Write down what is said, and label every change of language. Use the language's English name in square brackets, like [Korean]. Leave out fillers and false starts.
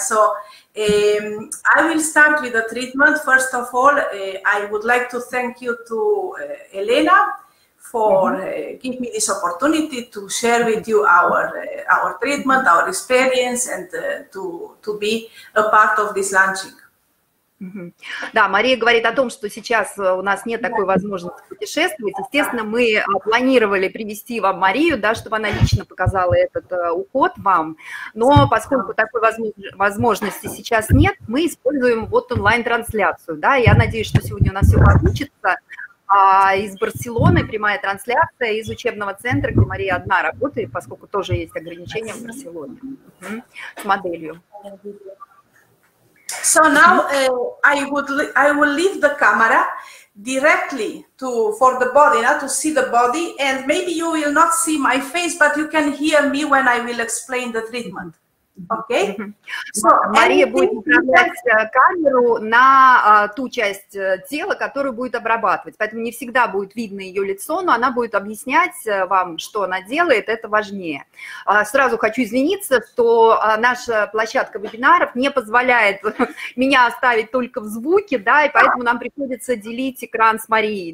[English] So I will start with the treatment. First of all, I would like to thank you to Elena for give me this opportunity to share with you our treatment, our experience, and to be a part of this launching. [Russian] Да, Мария говорит о том, что сейчас у нас нет такой возможности путешествовать. Естественно, мы планировали привести вам Марию, да, чтобы она лично показала этот уход вам. Но поскольку такой возможности сейчас нет, мы используем вот онлайн-трансляцию. Да, я надеюсь, что сегодня у нас все получится. Из Барселоны прямая трансляция из учебного центра, где Мария одна работает, поскольку тоже есть ограничения в Барселоне с моделью. [English] So now I will leave the camera directly for the body, not to see the body, and maybe you will not see my face, but you can hear me when I will explain the treatment. Okay. [Russian] So, Мария будет направлять камеру на ту часть тела, которую будет обрабатывать. Поэтому не всегда будет видно ее лицо, но она будет объяснять вам, что она делает, это важнее. Сразу хочу извиниться, что наша площадка вебинаров не позволяет меня оставить только в звуке, да, и поэтому нам приходится делить экран с Марией.